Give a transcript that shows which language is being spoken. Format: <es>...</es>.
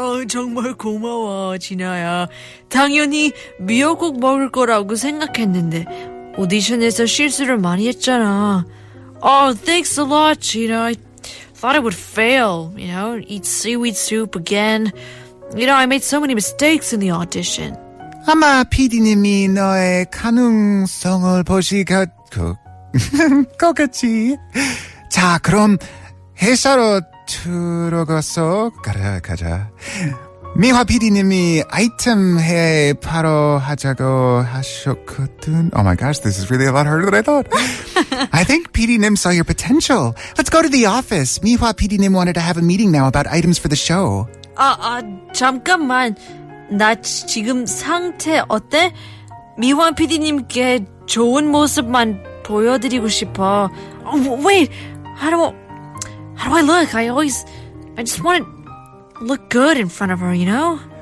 <ko>Oh, 정말 고마워, 진아야. 당연히 미역국 먹을 거라고 생각했는데 오디션에서 실수를 많이 했잖아.</ko> <en>Oh, thanks a lot, Gina. I thought I would fail, you know, eat seaweed soup again. You know, I made so many mistakes in the audition.</en> <ko>아마 PD님이 너의 가능성을 보시겠지. 자, 그럼 회사로 들어가서 가자. 미화 PD님이 아이템 해 바로 하자고 하셨거든.</ko> <en>Oh my gosh, this is really a lot harder than I thought. I think PD님 saw your potential. Let's go to the office. 미화 PD님 wanted to have a meeting now about items for the show.</en> <ko>잠깐만. 나 지금 상태 어때? 미화 PD님께 좋은 모습만 보여드리고 싶어.</ko> <en>How do I look? I just want to look good in front of her, you know?</en>